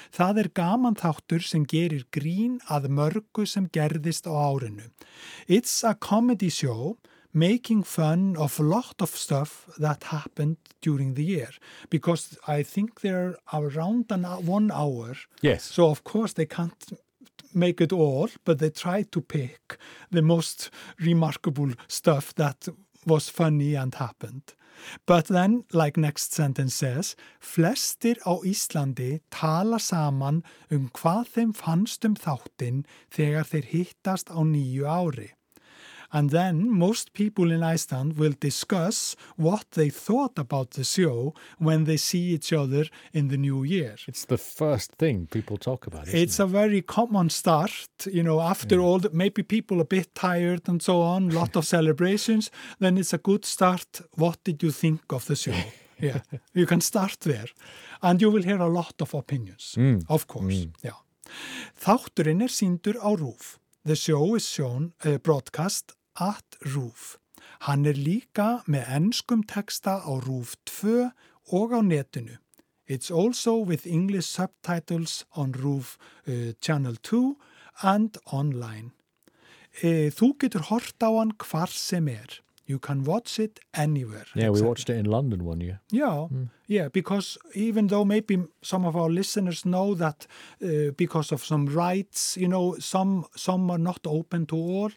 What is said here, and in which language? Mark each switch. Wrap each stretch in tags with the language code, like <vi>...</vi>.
<is>Það gaman þáttur sem gerir grín að mörgu sem gerðist á árinu.</is> <en>It's a comedy show making fun of a lot of stuff that happened during the year. Because I think they're around one hour. Yes. So of course they can't make it all, but they try to pick the most remarkable stuff that was funny and happened. But then, like next sentence says,</en> <is>flestir á Íslandi tala saman hvað þeim fannst þáttin þegar þeir hittast á nýju ári.</is> <en>And then most people in Iceland will discuss what they thought about the show when they see each other in the new year. It's the first thing people talk about, isn't it's it? A very common start, you know, after all, maybe people a bit tired and so on, lot of celebrations, then it's a good start. What did you think of the show? Yeah, you can start there and you will hear a lot of opinions, of course. Yeah.</en> <is>Þátturinn sýndur á RÚV.</is> <en>The show is shown, broadcast at RÚV.</en> <is>Hann líka með enskum texta á RÚV 2 og á netinu.</is> <en>It's also with English subtitles on RÚV channel 2 and online.</en> <is>Þú getur hort á hann hvar sem</is> <en>You can watch it anywhere. Yeah, exactly. We watched it in London one year. Yeah, yeah, because even though maybe some of our listeners know that because of some rights, you know, some are not open to all.</en>